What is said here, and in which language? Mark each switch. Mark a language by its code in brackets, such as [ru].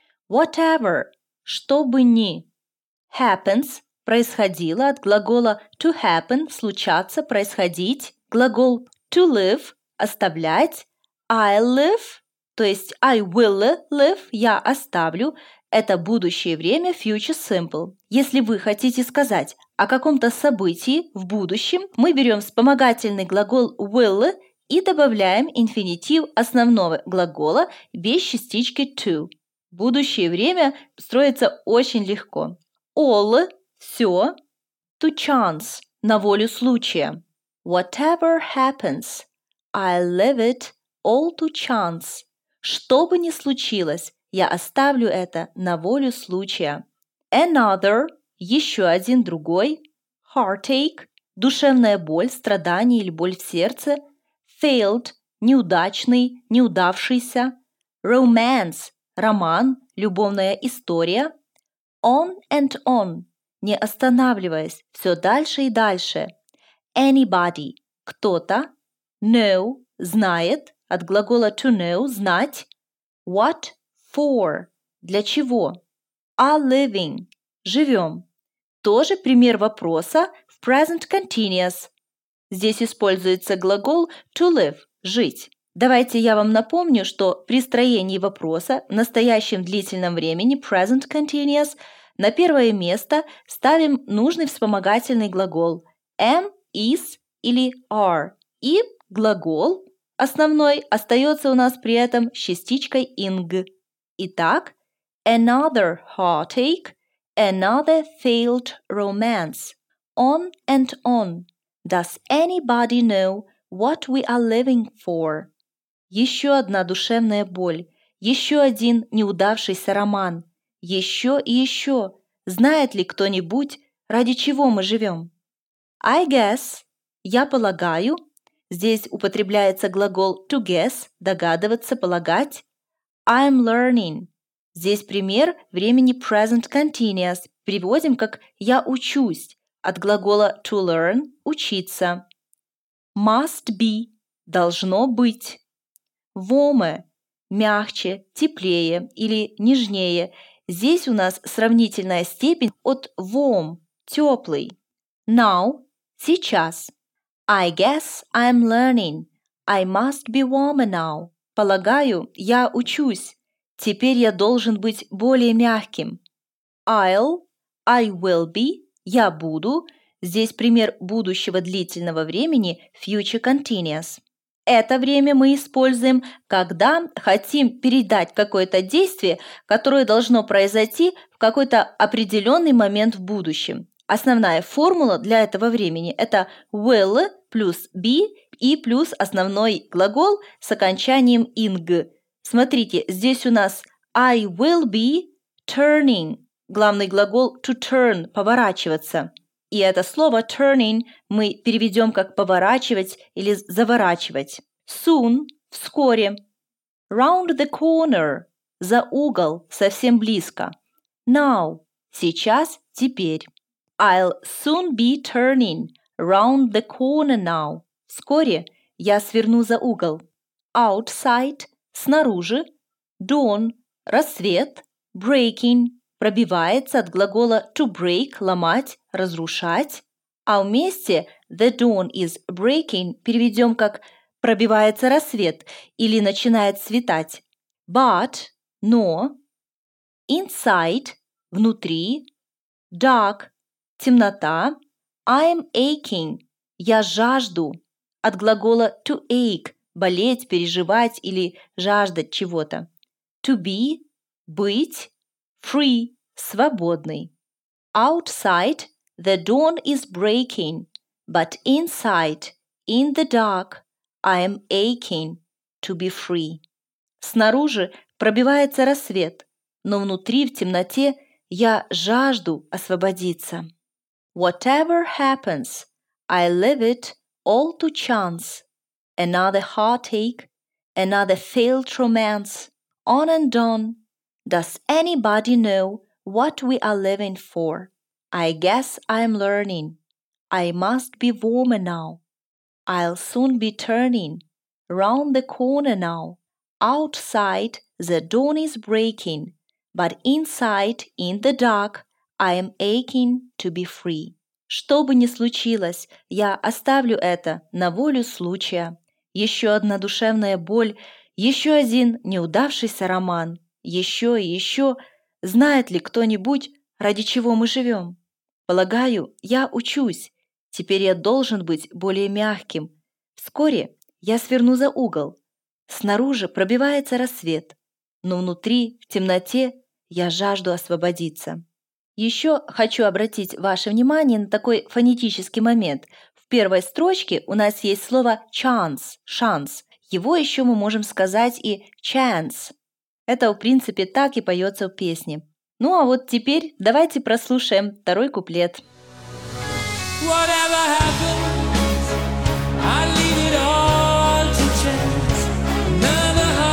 [en] Whatever, [ru] что бы ни. [en] Happens, [ru] происходило, от глагола [en] to happen, [ru] случаться, происходить. Глагол [en] to live, [ru] оставлять. [en] I'll live, [ru] то есть [en] I will live, [ru] я оставлю. Это будущее время, future simple. Если вы хотите сказать о каком-то событии в будущем, мы берем вспомогательный глагол will и добавляем инфинитив основного глагола без частички to. Будущее время строится очень легко. [en] All [ru] – все. [en] To chance [ru] – на волю случая. [en] Whatever happens, I leave it all to chance. [ru] Что бы ни случилось, я оставлю это на волю случая. [en] Another [ru] – еще один, другой. [en] Heartache [ru] – душевная боль, страдание или боль в сердце. [en] Failed [ru] – неудачный, неудавшийся. [en] Romance [ru] – роман, любовная история. [en] On and on [ru] – не останавливаясь, все дальше и дальше. [en] Anybody [ru] – кто-то. [en] Know [ru] – знает, от глагола [en] to know [ru] – знать. [en] What for [ru] – для чего. [en] Are living – [ru] живем. Тоже пример вопроса в present continuous. Здесь используется глагол [en] to live [ru] – жить. Давайте я вам напомню, что при строении вопроса в настоящем длительном времени present continuous на первое место ставим нужный вспомогательный глагол am, is или are. И глагол основной остается у нас при этом с частичкой ing. Итак, [en] another heartache, another failed romance, on and on. Does anybody know what we are living for? [ru] Еще одна душевная боль, еще один неудавшийся роман, еще и еще. Знает ли кто-нибудь, ради чего мы живем? [en] I guess, [ru] я полагаю, здесь употребляется глагол [en] to guess, [ru] догадываться, полагать. [en] I'm learning, [ru] здесь пример времени present continuous, переводим как я учусь. От глагола [en] to learn [ru] – учиться. [en] Must be [ru] – должно быть. [en] Warmer [ru] – мягче, теплее или нежнее. Здесь у нас сравнительная степень от [en] warm [ru] – теплый. [en] Now [ru] – сейчас. [en] I guess I'm learning. I must be warmer now. [ru] Полагаю, я учусь. Теперь я должен быть более мягким. [en] I'll, I will be, [ru] я буду. Здесь пример будущего длительного времени, future continuous. Это время мы используем, когда хотим передать какое-то действие, которое должно произойти в какой-то определенный момент в будущем. Основная формула для этого времени – это will плюс be и плюс основной глагол с окончанием ing. Смотрите, здесь у нас [en] I will be turning. [ru] Главный глагол [en] to turn [ru] – поворачиваться. И это слово [en] turning [ru] мы переведем как поворачивать или заворачивать. [en] Soon [ru] – вскоре. [en] Round the corner [ru] – за угол, совсем близко. [en] Now [ru] – сейчас, теперь. [en] I'll soon be turning round the corner now. [ru] Вскоре я сверну за угол. [en] Outside [ru] – снаружи. [en] Dawn [ru] – рассвет. [en] Breaking [ru] – пробивается от глагола [en] to break [ru] – ломать, разрушать. А вместе [en] the dawn is breaking [ru] переведем как пробивается рассвет или начинает светать. [en] But [ru] – но. [en] Inside [ru] – внутри. [en] Dark [ru] – темнота. [en] I'm aching. [ru] Я жажду. От глагола [en] to ache. [ru] Болеть, переживать или жаждать чего-то. [en] To be. [ru] Быть. [en] Free. [ru] Свободный. [en] Outside. The dawn is breaking. But inside. In the dark. I'm aching. To be free. [ru] Снаружи пробивается рассвет. Но внутри, в темноте, я жажду освободиться. [en] Whatever happens, I leave it all to chance. Another heartache, another failed romance. On and on. Does anybody know what we are living for? I guess I'm learning. I must be warmer now. I'll soon be turning. Round the corner now. Outside, the dawn is breaking. But inside, in the dark, I am aching to be free. [ru] Что бы ни случилось, я оставлю это на волю случая. Еще одна душевная боль, еще один неудавшийся роман, еще и еще. Знает ли кто-нибудь, ради чего мы живем? Полагаю, я учусь. Теперь я должен быть более мягким. Вскоре я сверну за угол. Снаружи пробивается рассвет, но внутри, в темноте, я жажду освободиться. Еще хочу обратить ваше внимание на такой фонетический момент. В первой строчке у нас есть слово chance, шанс. Его еще мы можем сказать и chance. Это, в принципе, так и поется в песне. Ну а вот теперь давайте прослушаем второй куплет. [en] Whatever happens, I leave it all to chance.